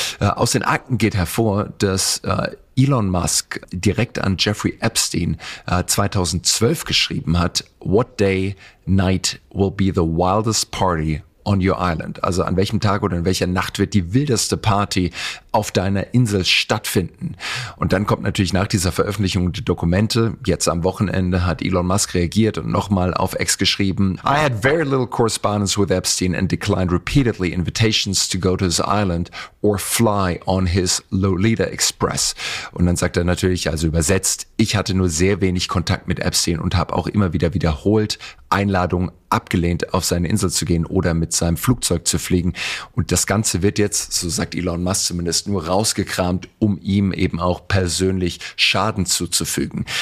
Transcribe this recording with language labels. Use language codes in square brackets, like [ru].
[de] Aus den Akten geht hervor, dass Elon Musk direkt an Jeffrey Epstein 2012 geschrieben hat, [en] what day, night will be the wildest party on your island? [de] Also an welchem Tag oder in welcher Nacht wird die wildeste Party auf deiner Insel stattfinden. Und dann kommt natürlich nach dieser Veröffentlichung die Dokumente. Jetzt am Wochenende hat Elon Musk reagiert und nochmal auf X geschrieben. [en] I had very little correspondence with Epstein and declined repeatedly invitations to go to his island or fly on his Lolita Express. [de] Und dann sagt er natürlich, also übersetzt, ich hatte nur sehr wenig Kontakt mit Epstein und habe auch immer wieder wiederholt Einladungen abgelehnt, auf seine Insel zu gehen oder mit seinem Flugzeug zu fliegen. Und das Ganze wird jetzt, so sagt Elon Musk zumindest, nur rausgekramt, um ihm eben auch persönlich Schaden zuzufügen.